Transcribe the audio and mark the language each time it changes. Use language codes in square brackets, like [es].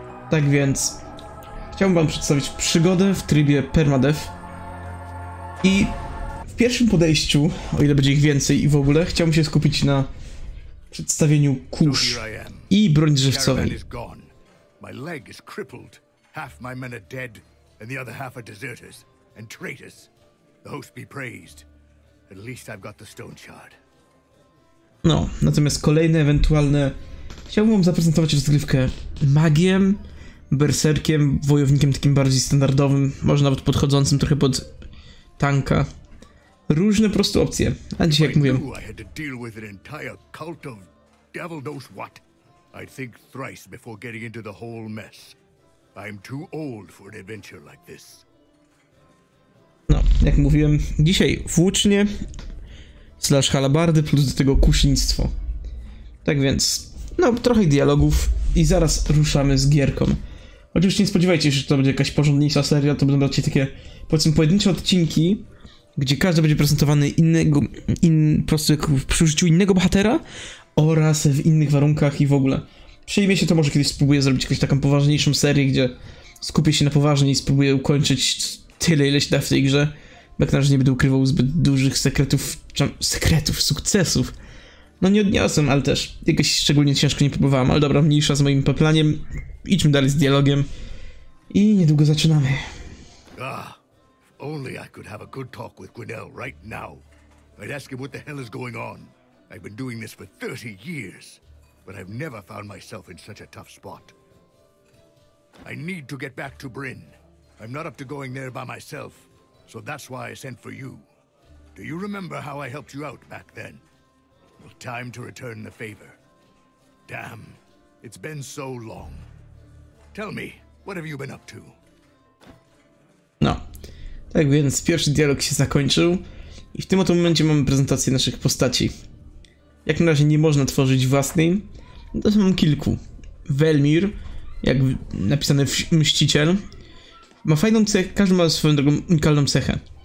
[pl] Tak więc chciałbym wam przedstawić przygodę w trybie permadeath. I w pierwszym podejściu, o ile będzie ich więcej i w ogóle, chciałbym się skupić na przedstawieniu kusz i broń drzewcowej. [en] My leg is crippled. Half my men are dead and the other half are deserters and traitors. The host be praised. At least I've got the stone shard. [pl] No, natomiast kolejne ewentualne chciałbym wam zaprezentować rozgrywkę magiem, berserkiem, wojownikiem takim bardziej standardowym, może nawet podchodzącym trochę pod tanka. Różne po prostu opcje. A dzisiaj jak mówię, [en] I had to deal with an entire cult of devil knows what. I'd think thrice before getting into the whole mess. I'm too old for an adventure like this. [pl] No, jak mówiłem, dzisiaj włócznie / halabardy plus do tego kusznictwo. Tak więc, no trochę dialogów i zaraz ruszamy z gierką. Oczywiście nie spodziewajcie się, że to będzie jakaś porządniejsza seria, to będą raczej takie, powiedzmy, pojedyncze odcinki, gdzie każdy będzie prezentowany innego, po prostu jak przy użyciu innego bohatera oraz w innych warunkach i w ogóle. Przyjmie się to, może kiedyś spróbuję zrobić jakąś taką poważniejszą serię, gdzie skupię się na poważnie i spróbuję ukończyć tyle, ile się da w tej grze. Jak na razie nie będę ukrywał zbyt dużych sekretów, sukcesów. No nie odniosłem, ale też jakoś szczególnie ciężko nie próbowałem, ale dobra, mniejsza z moim poplaniem. Idźmy dalej z dialogiem i niedługo zaczynamy. [en] Ah, if only I could have a good talk with Gwynel right now. I'd ask him what the hell is going on. I've been doing this for 30 years. But I've never found myself in such a tough spot. I need to get back to Bryn. I'm not up to going there by myself, so that's why I sent for you. Do you remember how I helped you out back then? Well, time to return the favor. Damn, it's been so long. Tell me, what have you been up to? [pl] No, tak więc pierwszy dialog się zakończył i w tym oto momencie mamy prezentację naszych postaci. Jak na razie nie można tworzyć własnej, to mam kilku. Velmir, jak napisane Mściciel, ma fajną cechę, każdy ma swoją drogą unikalną cechę.